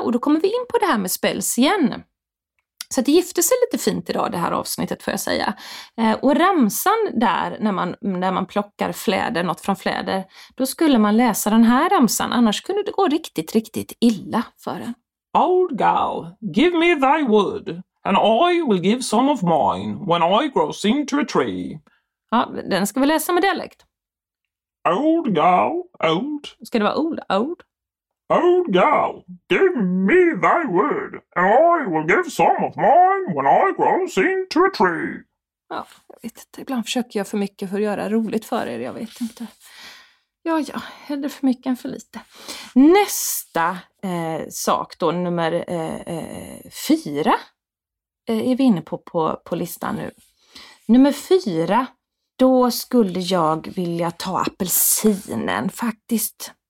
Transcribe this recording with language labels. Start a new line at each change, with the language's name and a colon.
Swedish: Och då kommer vi in på det här med spells igen. Så det gifte sig lite fint idag det här avsnittet får jag säga. Och ramsan där när man plockar fläder, något från fläder, då skulle man läsa den här ramsan. Annars kunde det gå riktigt, riktigt illa för en.
English: Old gal, give me thy wood, and I will give some of mine when I grow into a tree.
Swedish: Ja, den ska vi läsa med dialekt.
English: Old gal, old.
Swedish: Ska det vara old, old?
English: Old gal, give me thy word, and I will give some of mine when I grow into a tree.
Swedish: Ja, jag vet inte. Ibland försöker jag för mycket för att göra roligt för er, jag vet inte. Ja, hellre för mycket än för lite. Nästa sak då, nummer 4, är vi inne på listan nu. Nummer 4, då skulle jag vilja ta apelsinen faktiskt.